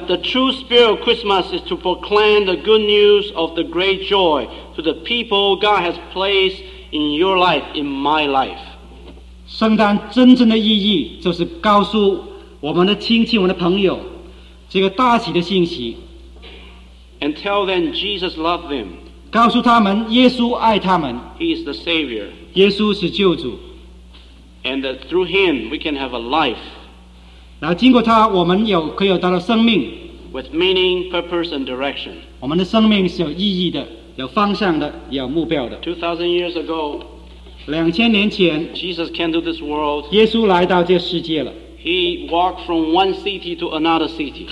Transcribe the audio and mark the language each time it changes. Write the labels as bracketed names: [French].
[English] The true spirit of Christmas is to proclaim the good news of the great joy to the people God has placed in your life, in my life. [Chinese] 圣诞真正的意义就是告诉我们的亲戚、我们的朋友这个大喜的信息 [English] And tell them Jesus loved them. [Chinese] 告诉他们耶稣爱他们 [English] He is the Savior. [Chinese] 耶稣是救主 [English] and that through him we can have a life [Chinese] 然后经过他我们有可以有到了生命 [English] with meaning, purpose and direction [Chinese] 我们的生命是有意义的有方向的有目标的 [English] 2000 years ago [Chinese] 2000年前 [English] Jesus came to this world [Chinese] 耶稣来到这世界了 [English] He walked from one city to another city